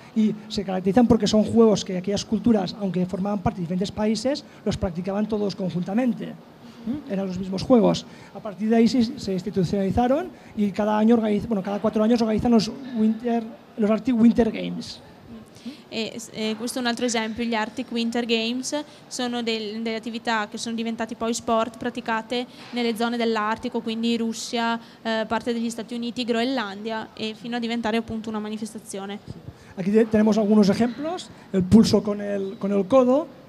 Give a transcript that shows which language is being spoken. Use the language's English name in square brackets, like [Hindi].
[Spanish] Y se caracterizan porque son juegos que aquellas culturas, aunque formaban parte de diferentes países, los practicaban todos conjuntamente. Eran los mismos juegos. A partir de ahí se institucionalizaron y cada 4 años organizan los Arctic Winter Games. [Italian] Questo è un altro esempio, gli Arctic Winter Games sono delle attività che sono diventate poi sport praticate nelle zone dell'Artico, quindi Russia, parte degli Stati Uniti, Groenlandia, e fino a diventare appunto una manifestazione. [Spanish] Aquí tenemos algunos ejemplos, el pulso con el codo.